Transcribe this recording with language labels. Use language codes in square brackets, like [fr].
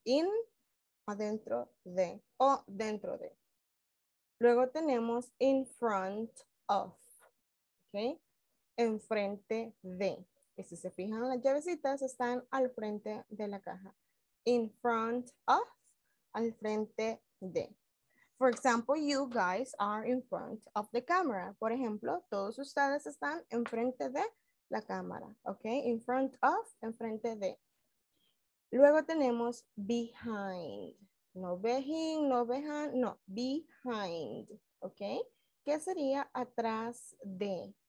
[es] In, adentro de o dentro de. Luego tenemos in front of. Okay, enfrente de. Y si se fijan, las llavecitas están al frente de la caja. In front of, al frente de. [en] For example, you guys are in front of the camera. [es] Por ejemplo, todos ustedes están enfrente de la cámara. Okay, in front of, enfrente de. Luego tenemos behind. [en] No behind, no behind, no. Behind. [es] Okay, ¿qué sería atrás de?